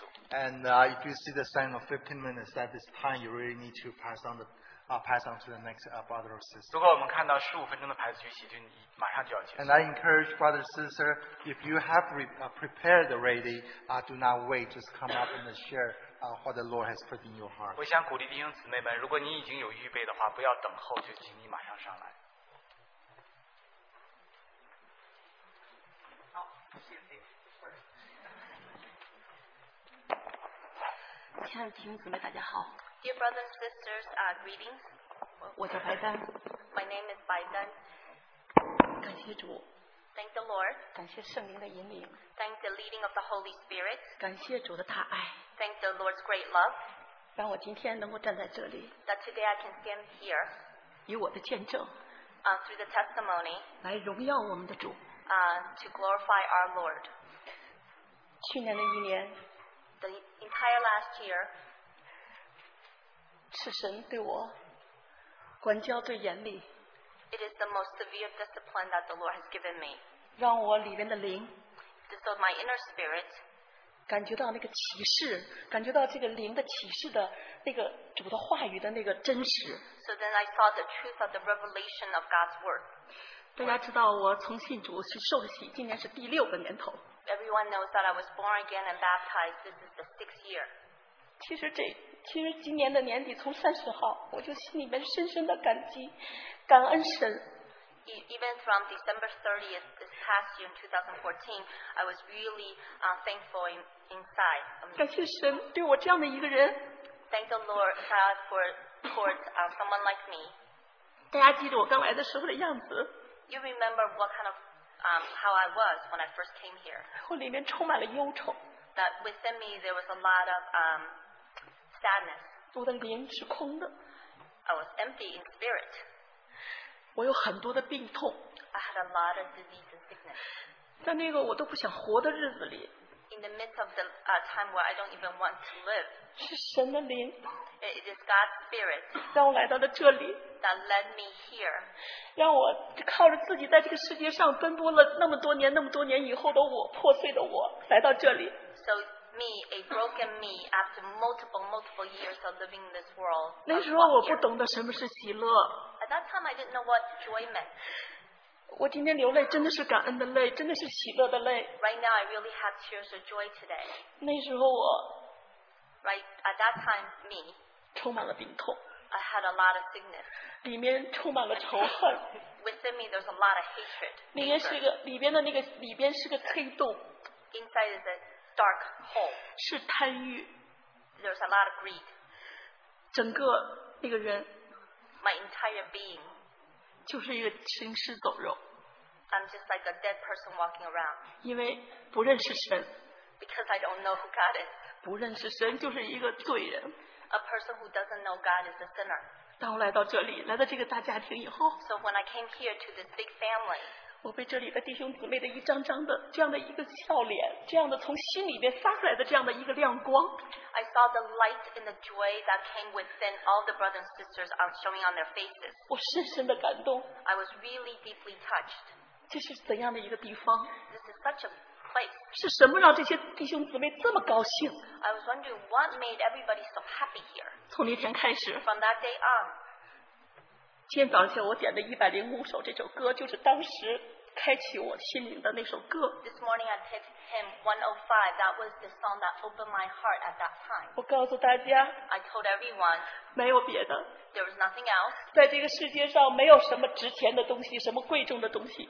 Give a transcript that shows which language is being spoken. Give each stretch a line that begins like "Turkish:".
English: and if you see the sign of 15 minutes, that is time you really need to pass on to the next brother or sister.
Chinese: 如果我们看到15分钟的牌子, 举起就马上就要结束。
English: And I encourage brother or sister, if you have prepared already, do not wait, just come up and share what the Lord has put in your heart.
Chinese: 我想鼓励弟兄姊妹们, 如果你已经有预备的话, 不要等候, 就请你马上上来。
English: Dear brothers and sisters, greetings.
Chinese: 我叫白丹。
English: My name is Bai Dan.
Chinese: 感谢主。
English: Thank the Lord.
Chinese: 感谢圣灵的引领。
English: Thank the leading of the Holy Spirit.
Chinese: 感谢主的大爱。
English: Thank the Lord's great love.
Chinese: 让我今天能够站在这里。
English: That today I can stand here.
Chinese: 以我的见证。
English: Through the testimony.
Chinese: 来荣耀我们的主。
English: To glorify our Lord.
Chinese: 去年的一年,
English: the entire last year,
Chinese: 是神对我管教最严厉,
English: it is the most severe discipline that the Lord has given me.
Chinese: 让我里面的灵,
English: it is so my inner spirit,
Chinese: 感觉到那个启示, 感觉到这个灵的启示的那个主的话语的那个真实,
English: so then I saw the truth of the revelation of God's word.
Chinese: 大家知道我从信主是受洗, 今年是第六个年头。
English: Everyone knows that I was born again and baptized. This is the sixth year.
Chinese: 其实今年的年底从30号我就心里面深深的感激, 感恩神。
English: Even from December 30th, this past year in 2014, I was really thankful inside.
Chinese: 感谢神对我这样的一个人。
English: Thank the Lord God for someone like me.
Chinese: 大家记住我刚来的时候的样子。
English: You remember what kind of how I was when I first came here.
Chinese: 我里面充满了忧愁,
English: that within me there was a lot of sadness.
Chinese: 我的灵是空的,
English: I was empty in spirit.
Chinese: 我有很多的病痛,
English: I had a lot of disease and sickness.
Chinese: 在那个我都不想活的日子里,
English: in the midst of the time where I don't even want to live,
Chinese: 是神的灵,
English: it is God's spirit
Chinese: 让我来到了这里,
English: that led me here.
Chinese: 让我靠着自己在这个世界上奔波了那么多年以后的我破碎的我 来到这里,
English: so me, a broken me, after multiple years of living in this world.
Chinese: 那时候我不懂得什么是喜乐,
English: at that time I didn't know what joy meant.
Chinese: 我今天流泪真的是感恩的泪，真的是喜乐的泪。
English: Right now, I really have tears of joy today.
Chinese: 那时候我
English: ，Right at that time, me
Chinese: 充满了病痛。
English: I had a lot of sickness.
Chinese: 里面充满了仇恨。
English: Within me, there's a lot of hatred.
Chinese: 里面是个里边的那个里边是个黑洞。
English: Inside is a dark hole.
Chinese: 是贪欲。
English: There's a lot of greed.
Chinese: 整个那个人。
English: My entire being.
Chinese: 就是一个行尸走肉。
English: I'm just like a dead person walking around.
Chinese: 因为不认识神。
English: Because I don't know who God is.
Chinese: 不认识神就是一个罪人。
English: A person who doesn't know God is a sinner.
Chinese: 当我来到这里，来到这个大家庭以后。
English: So when I came here to this big family.
Chinese: 我被这里的弟兄姊妹的一张张的这样的一个笑脸，这样的从心里面发出来的这样的一个亮光。
English: I saw the light and the joy that came within all the brothers and sisters are showing on their faces.
Chinese: 我深深的感动。
English: I was really deeply touched.
Chinese: 这是怎样的一个地方？
English: This is such a place.
Chinese: 是什么让这些弟兄姊妹这么高兴？
English: I was wondering what made everybody so happy here.
Chinese: 从那天开始。
English: From that day on.
Chinese: 今天早上我点的105首这首歌就是当时开启我心灵的那首歌。
English: This morning I picked him 105. That was the song that opened my heart at that time.
Chinese: 我告诉大家。
English: I told everyone.
Chinese: 没有别的。
English: There was nothing else.
Chinese: 在这个世界上没有什么值钱的东西，什么贵重的东西。